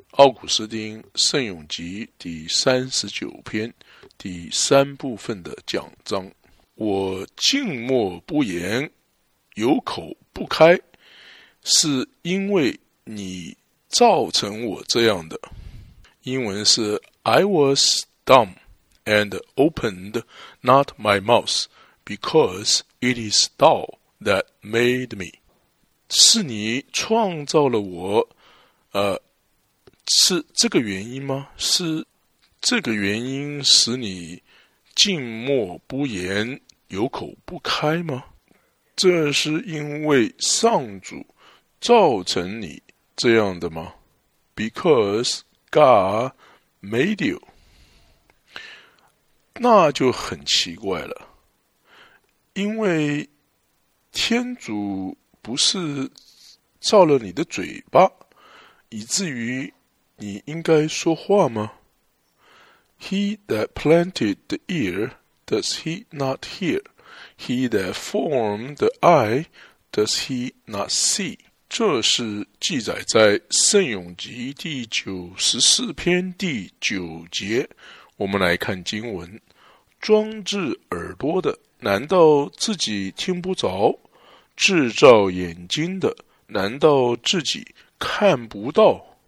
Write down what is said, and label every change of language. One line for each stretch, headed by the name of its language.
Chinese: 奥古斯丁圣咏集第39篇第3部分的讲章。我静默不言，有口不开，是因为你造成我这样的。
English: 英文是 I was dumb and opened not my mouth because it is thou that made me.
Chinese: 是你创造了我，是这个原因吗？是这个原因使你静默不言，有口不开吗？这是因为上主造成你这样的吗？
English: Because God made you.
Chinese: 那就很奇怪了，因为天主不是造了你的嘴巴，以至于你应该说话吗？
English: He that planted the ear, does he not hear? He that formed the eye, does he not see?
Chinese: 这是记载在圣咏集第94篇第9节。我们来看经文。装置耳朵的，难道自己听不着？制造眼睛的，难道自己看不到？